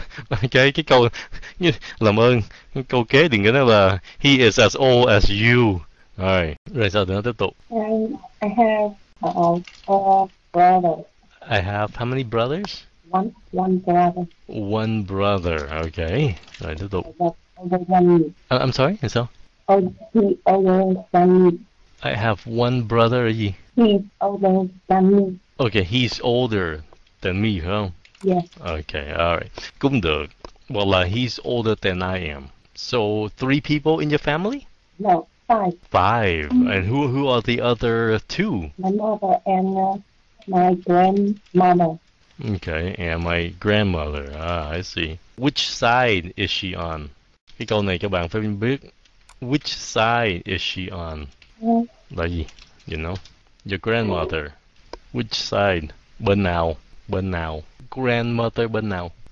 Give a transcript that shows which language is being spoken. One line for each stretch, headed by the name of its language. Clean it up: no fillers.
Vietnamese: Okay, cái câu Như, làm ơn câu kế thì nghĩa là
English: he is as old as you.
Vietnamese: Alright, rồi sao nữa tiếp tục?
English: I have four brothers. I have how many brothers? One brother. One brother. Okay.
Vietnamese: Rồi tiếp tục.
English: Older than me. I'm sorry. So? He older than me. I have one brother. He's older than me. Okay, he's older than me, huh? Yes. Okay. All right.
Vietnamese: Cũng được.
English: Well, he's older than I am. So, three people in your family? No, five. Five. Mm-hmm. And who are the other two? My mother and my grandmother. Okay, and my grandmother. Ah, I see. Which side is she on?
Vietnamese: Cái câu này các bạn phải biết.
English: Which side is she on?
Vietnamese: Là gì?
English: You know? Your grandmother. Which side?
Vietnamese: Bên nào? Bên nào? Grandmother bên nào?